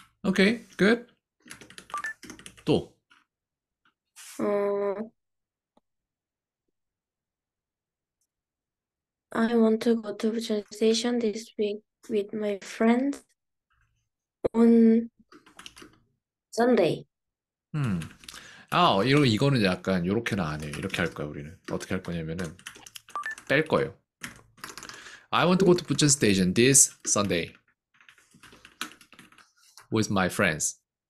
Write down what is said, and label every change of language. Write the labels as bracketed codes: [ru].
[ko] 오케이, 굿. 또. [en] I want to go to the station this week with my friend on Sunday. [ko] 이거는 약간 요렇게는 안 해요. 이렇게 할 거야, 우리는. 어떻게 할 거냐면은 뺄 거예요. [en] I want to go to Busan Station this Sunday with my friends.